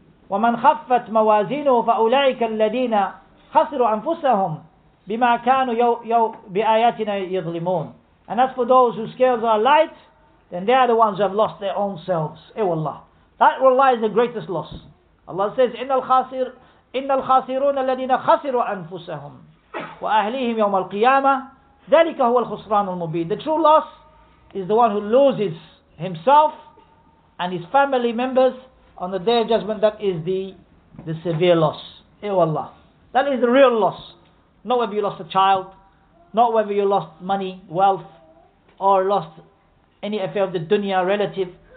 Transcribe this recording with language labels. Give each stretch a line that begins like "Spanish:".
Arabic: وَمَنْ خَفَّتْ مَوَازِينُهُ فَأُولَٰئِكَ الَّذِينَ خَسِرُوا أَنفُسَهُمْ بِمَا كَانُوا بِآيَاتِنَا يَظْلِمُونَ.
English: And as for those whose scales are light, then they are the ones who have lost their own selves. Ay wallah. That wallah is the greatest loss. Allah says,
Arabic: إِنَّ الْخَاسِرُونَ الَّذِينَ خَسِرُوا أَنفُسَهُمْ وَأَهْلِهِمْ يَوْمَ الْقِيَامَةِ ذَلِكَ هُوَ الْخُسْرَانُ الْمُبِينَ.
English: The true loss is the one who loses himself and his family members on the Day of Judgment. That is the severe loss. Ay wallah. That is the real loss. Not whether you lost a child, not whether you lost money, wealth, or lost any affair of the dunya, relative.